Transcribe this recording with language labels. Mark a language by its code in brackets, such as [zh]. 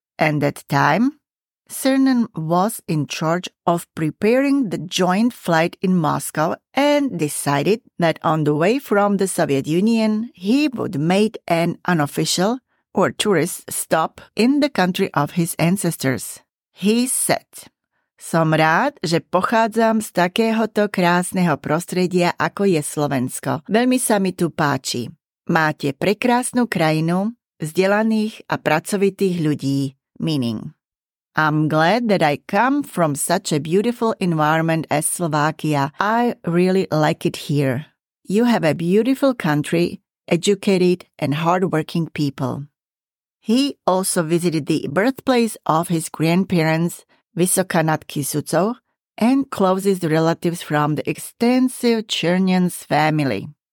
[en] And at that time, Cernan was in charge of preparing the joint flight in Moscow and decided that on the way from the Soviet Union, he would make an unofficial or tourist stop in the country of his ancestors. [sk] He said, "Som rád, že pochádzam z takéhoto krásneho prostredia, ako je Slovensko. Veľmi sa mi tu páči. Máte prekrásnu krajinu, vzdelaných a pracovitých ľudí, meaning. [en] I'm glad that I come from such a beautiful environment as Slovakia. I really like it here. You have a beautiful country, educated and hardworking people. He also visited the birthplace of his grandparents, Vysoká nad Kysucou, and closest relatives from the extensive Chernians family.